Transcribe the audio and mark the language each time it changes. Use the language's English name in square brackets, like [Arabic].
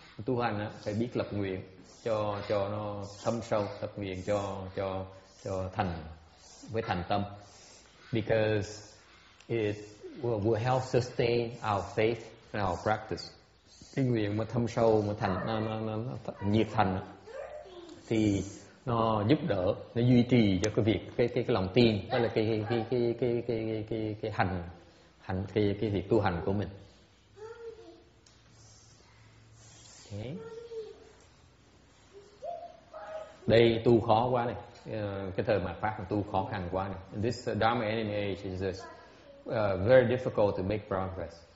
[Vietnamese] Tu hành phải biết lập nguyện cho nó thâm sâu, lập nguyện cho thành với thành tâm. [English] Because it will help sustain our faith and our practice. [Vietnamese] Cái nguyện mà thâm sâu mà thành nó nhiệt thành thì nó giúp đỡ, nó duy trì cho cái việc cái lòng tin, đó là cái hành cái việc tu hành của mình. [English] Okay. [Vietnamese] Đây tu khó quá này, cái thời mạt pháp tu khó khăn quá này. [English] This Dharma Enemy Age is very difficult to make progress.